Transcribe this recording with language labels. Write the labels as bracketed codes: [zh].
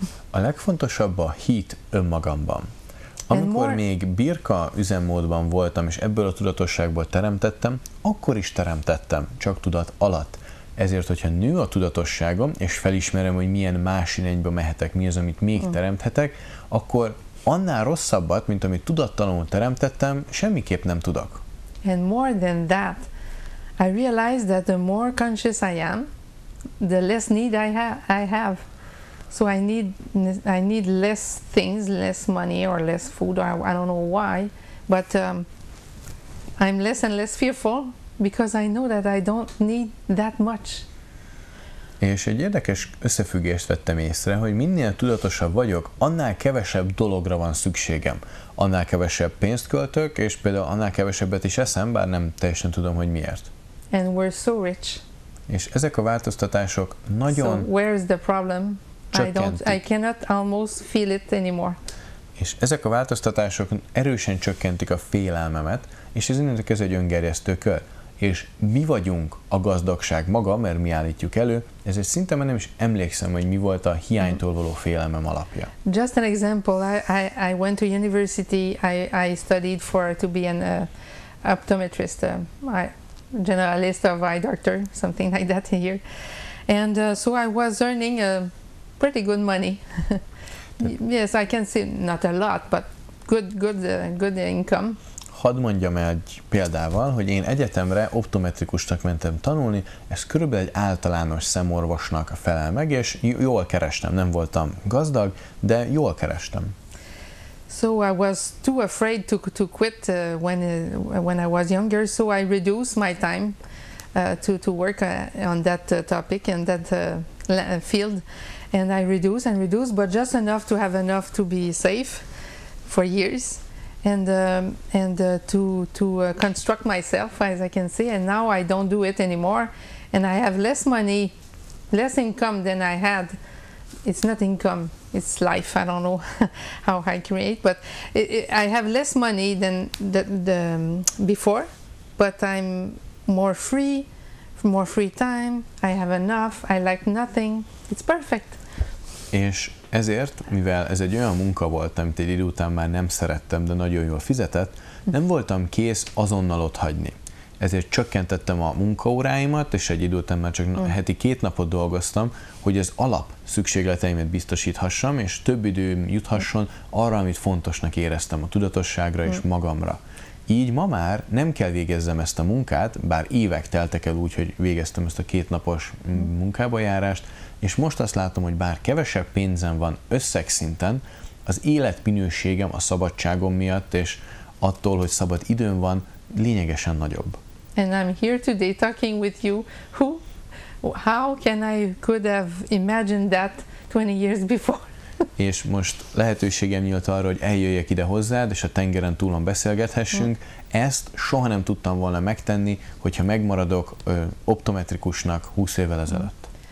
[hu] A legfontosabb a hit önmagamban. Amikor még birka üzemmódban voltam, és ebből a tudatosságból teremtettem, akkor is teremtettem, csak tudat alatt. Ezért, hogyha nő a tudatosságom, és felismerem, hogy milyen más irányba mehetek, mi az, amit még teremthetek, akkor annál rosszabbat, mint amit tudattalanul teremtettem, semmiképp nem tudok. [en] And more than that, I realize that the more conscious I am, the less need I have. So I need less things, less money or less food, or I don't know why, but I'm less and less fearful because I know that I don't need that much. [hu] És egy érdekes összefüggést vettem észre, hogy minél tudatosabb vagyok, annál kevesebb dologra van szükségem. Annál kevesebb pénzt költök, és például annál kevesebbet is eszem, bár nem teljesen tudom, hogy miért. [en] And we're so rich. [hu] És ezek a változtatások nagyon... [en] So where is the problem? [hu] Csökkentik. [en] I cannot almost feel it anymore. [hu] És ezek a változtatások erősen csökkentik a félelmemet, és ez innen kezdve egy öngerjesztő kör. És mi vagyunk a gazdagság maga, mert mi állítjuk elő, ezért szinte már nem is emlékszem, hogy mi volt a hiánytól való félelmem alapja. [en] Just an example, I went to university, I studied for to be an optometrist, generalist or eye doctor, something like that here. And so I was earning a pretty good money. Yes, I can say not a lot, but good income. [hu] Hadd mondjam egy példával, hogy én egyetemre optometrikusnak mentem tanulni, ez körülbelül egy általános szemorvosnak felel meg, és jól kerestem, nem voltam gazdag, de jól kerestem. [en] So I was too afraid to quit when I was younger, so I reduced my time to work on that topic and that field. And I reduce, but just enough to have enough to be safe for years, and to construct myself, as I can say, and now I don't do it anymore, and I have less money, less income than I had. It's not income, it's life. I don't know how I create, but I have less money than the before, but I'm more free, more free time, I have enough, I like nothing, it's perfect. [hu] És ezért, mivel ez egy olyan munka volt, amit egy idő után már nem szerettem, de nagyon jól fizetett, nem voltam kész azonnal otthagyni. Ezért csökkentettem a munkaóráimat, és egy idő után már csak heti 2 napot dolgoztam, hogy az alap szükségleteimet biztosíthassam, és több időm juthasson arra, amit fontosnak éreztem a tudatosságra és magamra. Így ma már nem kell végezzem ezt a munkát, bár évek teltek el úgy, hogy végeztem ezt a 2 napos munkába járást, és most azt látom, hogy bár kevesebb pénzem van összegszinten, az életminőségem a szabadságom miatt, és attól, hogy szabad időm van, lényegesen nagyobb. [en] And I'm here today talking with you. Who? How can I could have imagined that 20 years before? [hu] És most lehetőségem nyílt arra, hogy eljöjjek ide hozzád, és a tengeren túlon beszélgethessünk. Ezt soha nem tudtam volna megtenni, hogyha megmaradok optometrikusnak 20 évvel ezelőtt.